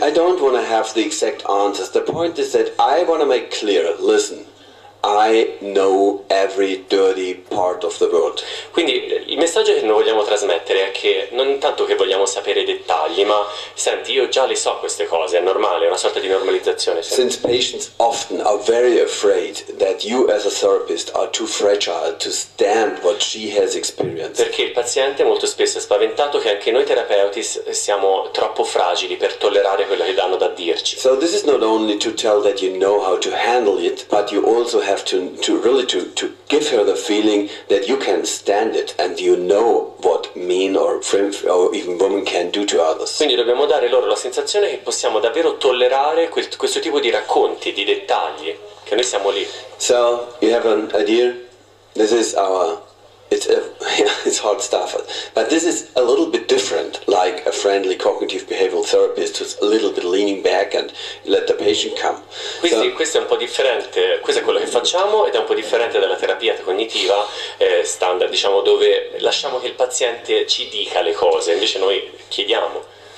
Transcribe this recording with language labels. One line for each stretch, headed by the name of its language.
English: I don't want to have the exact answers. The point is that I want to make clear, listen, I know every dirty part of the world.
Italian: Quindi il messaggio che noi vogliamo trasmettere è che non tanto che vogliamo sapere dettagli, ma senti, io già le so queste cose, è normale, è una sorta di normalizzazione. Senti.
English: Since patients often are very afraid that you as a therapist are too fragile to stand what she has experienced.
Italian: Perché il paziente molto spesso è spaventato che anche noi terapeuti siamo troppo fragili per tollerare quello che danno da dirci.
English: So this is not only to tell that you know how to handle it, but you also have to really give her the feeling that you can stand it and you know what men or even women can do to others.
Italian: Quindi dobbiamo dare loro la sensazione che possiamo davvero tollerare questo tipo di racconti, di dettagli, che noi siamo lì.
English: So you have an idea? This is it's hard stuff, but this is a little bit different, like a friendly cognitive behavioral therapist who's a little bit leaning back and let the patient come.
Italian: Questo è un po' differente, questo è quello che facciamo, ed è un po' differente dalla terapia cognitiva standard, diciamo, dove lasciamo che il paziente ci dica le cose, invece noi chiediamo.